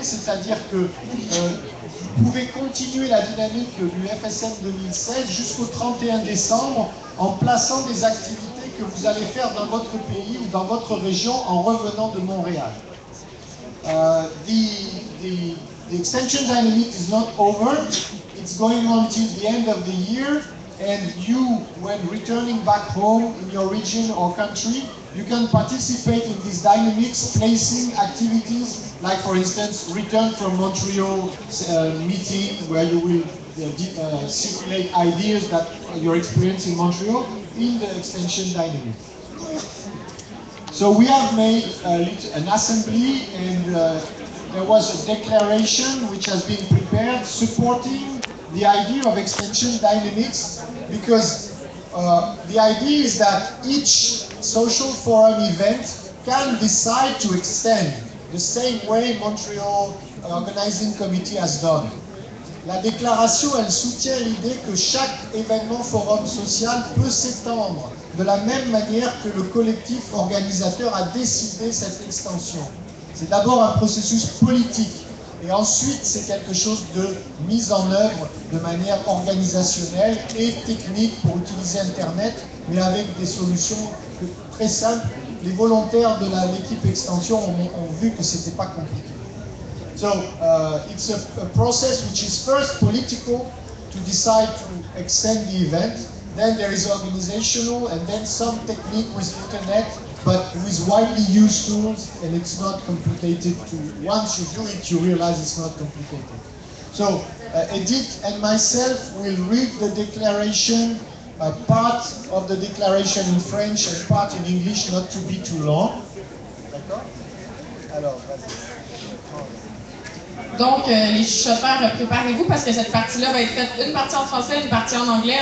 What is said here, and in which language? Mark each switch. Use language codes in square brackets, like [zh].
[fr] C'est-à-dire que vous pouvez continuer la dynamique du FSM 2016 jusqu'au 31 décembre en plaçant des activités que vous allez faire dans votre pays ou dans votre région en revenant de Montréal. [en] The extension dynamic is not over. It's going on till the end of the year, and you, when returning back home in your region or country, you can participate in these dynamics, placing activities like, for instance, return from Montreal meeting, where you will circulate ideas that your experience in Montreal in the extension dynamic. So we have made an assembly, and there was a declaration which has been prepared supporting the idea of extension dynamics, because the idea is that each social forum event can decide to extend the same way Montreal Organizing Committee has done. [fr] La déclaration, elle soutient l'idée que chaque événement forum social peut s'étendre de la même manière que le collectif organisateur a décidé cette extension. C'est d'abord un processus politique. Et ensuite, c'est quelque chose de mise en œuvre de manière organisationnelle et technique pour utiliser Internet, mais avec des solutions très simples. Les volontaires de l'équipe extension ont vu que ce n'était pas compliqué. [en] So, it's a process which is first political to decide to extend the event. Then there is organizational and then some technique with Internet. But with widely used tools, and it's not complicated. Once you do it, you realize it's not complicated. So Edith and myself will read the declaration, a part of the declaration in French and part in English, not to be too long. D'accord? [fr] Donc, les chuchoteurs, préparez-vous parce que cette partie-là va être faite une partie en français, une partie en anglais.